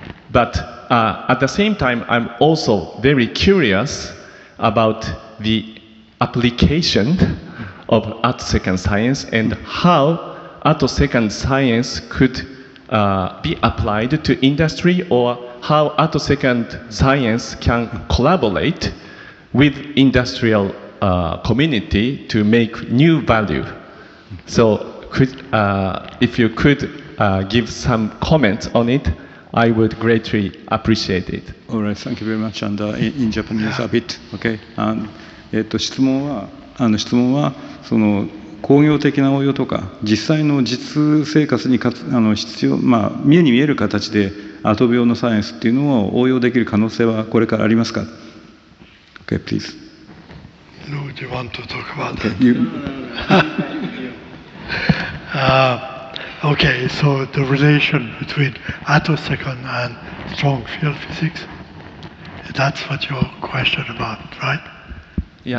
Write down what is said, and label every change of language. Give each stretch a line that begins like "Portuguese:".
English: But at the same time, I'm also very curious about the application of attosecond science and how attosecond science couldbe applied to industry, or how attosecond science can collaborate with industrial community to make new value. So if you could give some comments on it, I would greatly appreciate it. All right, thank you very much. And in Japanese a bit, okay.
Japanese: And 質問は、質問はその工業的な応用とか実際の実生活にかつ必要、まあ、見えに見える形でアト秒のサイエンスっていうのを応用できる可能性はこれからありますか ？
English: OK, please. No, do you want to talk about that? Okay, you... okay, so the relation between attosecond and strong field physics, that's what your question about, right? Yeah.